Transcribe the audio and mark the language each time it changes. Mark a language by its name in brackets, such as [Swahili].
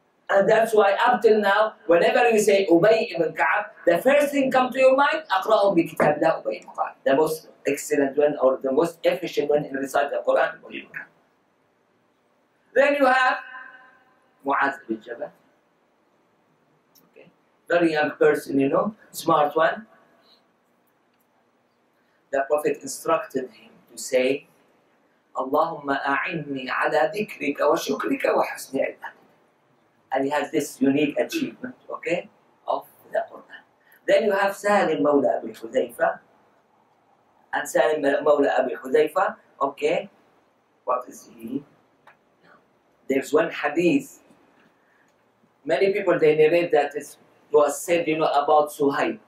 [English] And that's why up till now, whenever you say Ubay ibn Ka'ab, the first thing comes to your mind, [Arabic] أقرأه بكتاب لا [English] Ubay ibn Ka'ab. The most excellent one or the most efficient one in reciting the Quran, Ubay ibn Ka'ab. Then you have Mu'adh ibn Jabal. Okay. Very young person, you know, smart one. The Prophet instructed him to say, [Arabic] اللهم أعني على ذكرك وشكرك وحسن عبادتك. [English] And he has this unique achievement, okay, of the Quran. Then you have Salim Mawla Abi Hudayfa. And Salim Mawla Abi Hudayfa, okay, what is he? There's one hadith. Many people, they narrate that it was said, you know, about Suhaib.